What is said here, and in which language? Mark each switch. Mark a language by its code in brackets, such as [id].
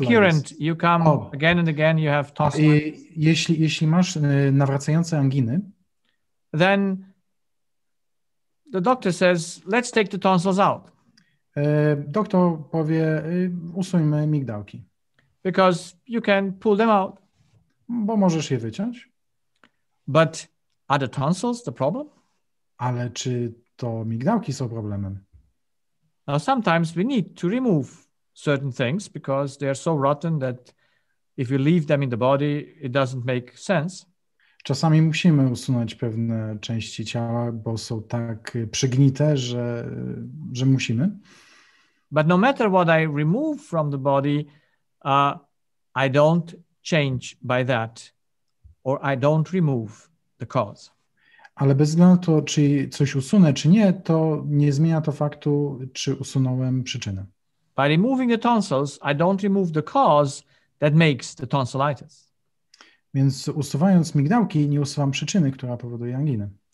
[en] Recurrent, you come again and again, you have tonsillitis. [pl] Jeśli masz nawracające anginy, [en] then the doctor says, let's take the tonsils out. [pl] Doktor powie, usuńmy migdałki. [en] Because you can pull them out. [pl] Bo możesz je wyciąć. [en] But are the tonsils the problem? [pl] Ale czy to migdałki są problemem? [en] Now sometimes we need to remove certain things because they are so rotten that if you leave them in the body, it doesn't make sense. [pl] Czasami musimy usunąć pewne części ciała, bo są tak przygnite, że musimy. [en] But no matter what I remove from the body, I don't change by that, or I don't remove the cause. [pl] Ale bez względu na to, czy coś usunę, czy nie, to nie zmienia to faktu, czy usunąłem przyczynę. [en] By removing the tonsils, I don't remove the cause that makes the tonsillitis. [pl] Więc usuwając migdałki, nie usuwam przyczyny, która powoduje anginę.